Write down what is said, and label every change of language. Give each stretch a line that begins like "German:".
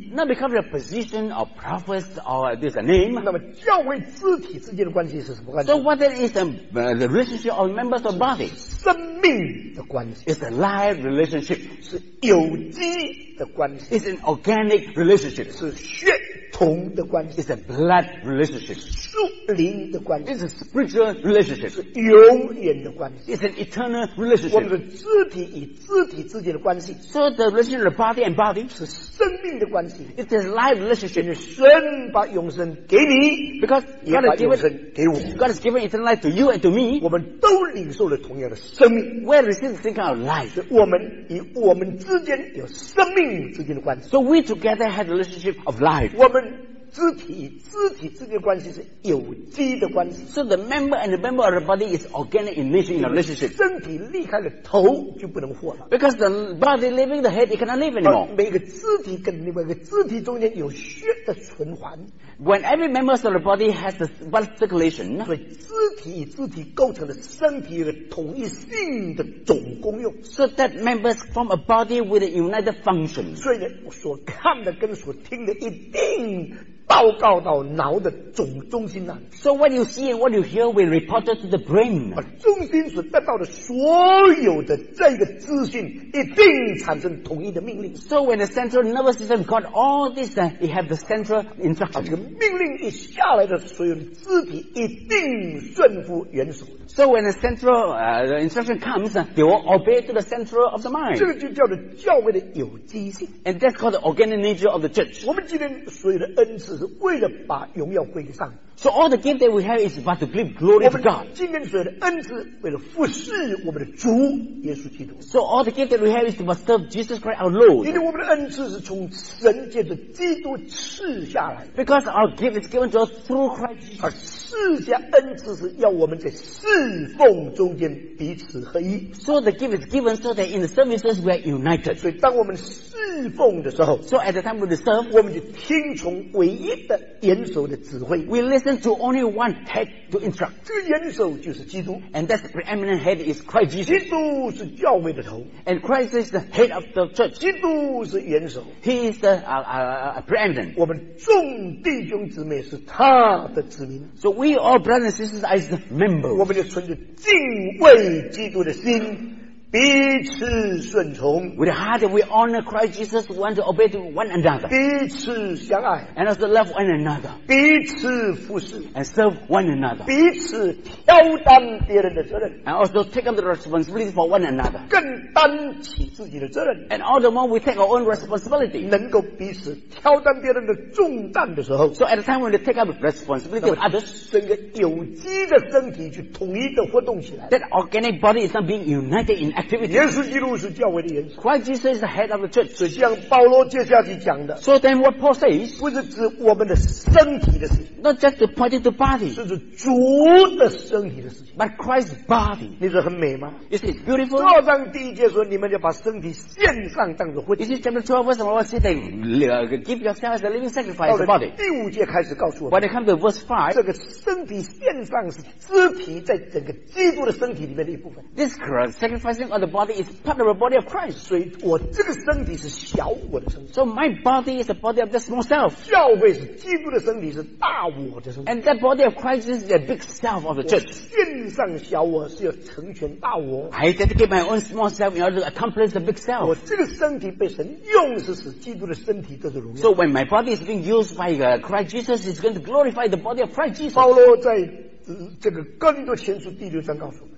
English: Not because of your position or profits or this name.
Chinese: 那么教会肢体之间的关系是什么关系？
English: So what is the relationship of members of body?
Chinese: 生命的关系。
English: It's a live relationship.
Chinese: 是有机的关系。
English: It's an organic relationship.
Chinese: 是血同的关系。
English: It's a blood relationship.
Chinese: 属灵的关系。
English: It's a spiritual relationship.
Chinese: 是永远的关系。
English: It's an eternal relationship.
Chinese: 我们的肢体与肢体之间的关系。
English: So the relationship of body and body
Chinese: 是生命的关系。
English: It's a live relationship.
Chinese: 神把永生给你。
English: Because God has given God has given eternal life to you and to me.
Chinese: 我们都领受了同样的生命。
English: We receive the same kind of life.
Chinese: 我们与我们之间有生命之间的关系。
English: So we together have the relationship of life.
Chinese: 我们肢体与肢体之间的关系是有机的关系。
English: So the member and the member of the body is organic in nature in the relationship.
Chinese: 身体离开了头就不能活了。
English: Because the body leaving the head, it cannot live anymore.
Chinese: 每个肢体跟另外一个肢体中间有血的循环。
English: When every member of the body has the blood circulation,
Chinese: 所以肢体与肢体构成了身体有统一性的总功用。
English: So that members form a body with a united function.
Chinese: 所以所看的跟所听的一定报告到脑的总中心那里。
English: So what you see and what you hear will report to the brain.
Chinese: 把中心所得到的所有的这个资讯一定产生统一的命令。
English: So when the central nervous system got all this, it have the central instruction.
Chinese: 命令一下来的所有的肢体一定顺服元首。
English: So when the central the instruction comes, they will obey to the central of the mind.
Chinese: 这个就叫做教会的有机性。
English: And that's called the organic nature of the church.
Chinese: 我们今天所有的恩赐是为了把荣耀归给上帝。
English: So all the gift that we have is but to give glory to God.
Chinese: 今天所有的恩赐为了服侍我们的主耶稣基督。
English: So all the gift that we have is to serve Jesus Christ our Lord.
Chinese: 因为我们的恩赐是从神借着基督赐下来。
English: Because our gift is given to us through Christ Jesus.
Chinese: 而赐下恩赐是要我们在侍奉中间彼此合一。
English: So the gift is given so that in the services we are united.
Chinese: 所以当我们侍奉的时候
English: ，So at the time we serve,
Chinese: 我们就听从唯一的元首的指挥。
English: We listen to only one head to instruct.
Chinese: 这个元首就是基督。
English: And that preeminent head is Christ Jesus.
Chinese: 基督是教会的头。
English: And Christ is the head of the church.
Chinese: 基督是元首。
English: He is the preeminent.
Chinese: 我们众弟兄姊妹是他的子民。
English: So we all brothers and sisters as the members.
Chinese: 我们就存着敬畏基督的心。彼此顺从
English: with a heart that we honor Christ Jesus want to obey to one another
Chinese: 彼此相爱
English: and also love one another
Chinese: 彼此服侍
English: and serve one another
Chinese: 彼此挑担别人的责任
English: and also take up the responsibility for one another
Chinese: 更担起自己的责任
English: and all the more we take our own responsibility
Chinese: 能够彼此挑担别人的重担的时候
English: so at the time when we take up responsibility of others
Chinese: 整个有机的身体去统一的活动起来
English: that organic body is not being united in activity
Chinese: 耶稣基督是教会的元首
English: Christ Jesus is the head of the church
Chinese: 所以像保罗接下去讲的
English: So then what Paul says
Chinese: 不是指我们的身体的事情
English: Not just to point it to body
Chinese: 是指主的身体的事情
English: But Christ's body
Chinese: 你说很美吗
English: Is it beautiful
Chinese: 照章第一节说你们要把身体献上当作会
English: Is it chapter 12 verse 1 say that give yourself as a living sacrifice as a body
Chinese: 第五节开始告诉我们
English: When it comes to verse 5
Chinese: 这个身体献上是肢体在整个基督的身体里面的一部分
English: This Christ sacrificing portion of the body is part of the body of Christ.
Chinese: 所以我这个身体是小我的身体。
English: So my body is the body of the small self.
Chinese: 教会是基督的身体是大我的身体。
English: And that body of Christ is the big self of the church.
Chinese: 我献上小我是要成全大我。
English: I dedicate my own small self in order to accomplish the big self.
Chinese: 我这个身体被神用是使基督的身体得着荣耀。
English: So when my body is being used by Christ Jesus, it's going to glorify the body of Christ Jesus.
Chinese: 保罗在这个哥林多前书第六章告诉我们